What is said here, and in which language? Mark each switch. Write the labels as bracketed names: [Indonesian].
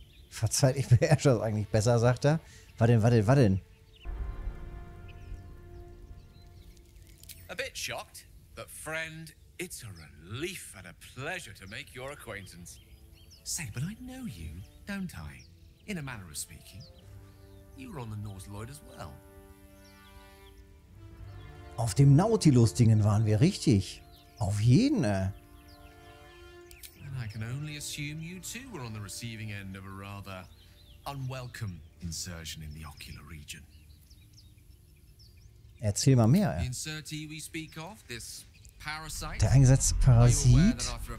[German] Verzeiht, ich beherrsche das eigentlich besser, sagt er. Was denn? [English] A bit shocked, but friend. It's a relief and a pleasure to make your acquaintance. Say, but I know you, don't I? In a manner of speaking. You were on the Nautilus as well. [German] Auf dem Nautilus-Dingen waren wir, richtig. Auf jeden. [English] And I can only assume you too were on the receiving end of a rather unwelcome insertion in the ocular region. [German] Erzähl mal mehr. [English] The insertee we speak of, this... [German] Der eingesetzte Parasit.